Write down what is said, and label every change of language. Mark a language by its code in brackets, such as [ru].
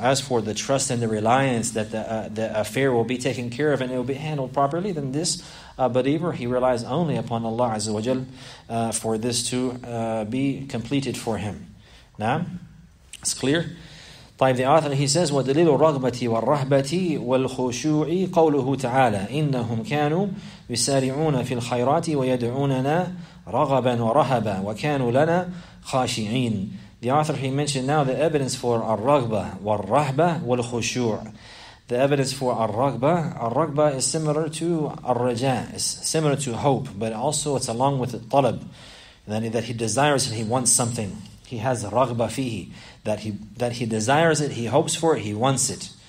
[en] As for the trust and the reliance that the affair will be taken care of and it will be handled properly, then this believer, he relies only upon Allah Azza wa Jal for this to be completed for him. Now, it's clear. [ar] طيب, [en] the author, he says, [ar] وَدَلِيلُ الرَّغْبَةِ وَالرَّهْبَةِ وَالْخُشُوعِ قَوْلُهُ تَعَالَى إِنَّهُمْ كَانُوا يُسَارِعُونَ فِي الْخَيْرَاتِ وَيَدْعُونَنَا رَغَبًا وَرَهَبًا وَكَانُوا لَنَا خَاشِعِينَ. [en] The author, he mentioned now the evidence for al-raghba, wal-rahba, wal-khushu'. The evidence for al-raghba, al-raghba is similar to al-raja, it's similar to hope, but also it's along with al-talab, that he desires and he wants something. He has raghba fihi, that he desires it, he hopes for it, he wants it.